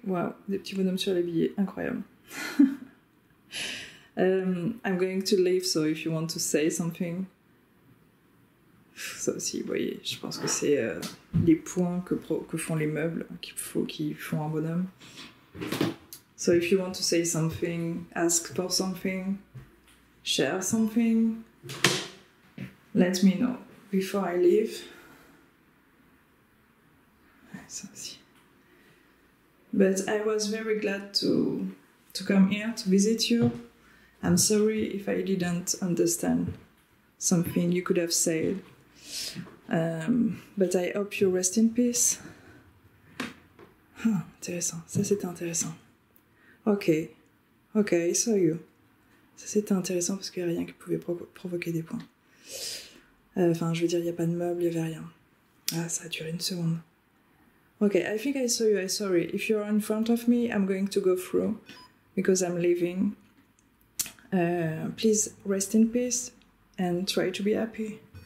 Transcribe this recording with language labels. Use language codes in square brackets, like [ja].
[fr] Wow, des petits bonhommes sur les billets, incroyable. [en] I'm going to leave, so if you want to say something... [fr] Ça aussi, vous voyez, je pense que c'est les points que font les meubles, qui font un bonhomme. [en] So if you want to say something, ask for something, share something, let me know before I leave. [fr] Ça aussi. [en] But I was very glad to come here to visit you. I'm sorry if I didn't understand something you could have said. But I hope you rest in peace. [fr] Huh, intéressant. Ça, c'était intéressant. [en] Okay, I saw you. [fr] Ça, c'était intéressant parce qu'il n'y a rien qui pouvait provoquer des points. Enfin, je veux dire, il n'y a pas de meubles, il n'y avait rien. Ah, ça a duré une seconde. [en] Okay, I think I saw you. I'm sorry. If you're in front of me, I'm going to go through because I'm leaving. Please rest in peace and try to be happy.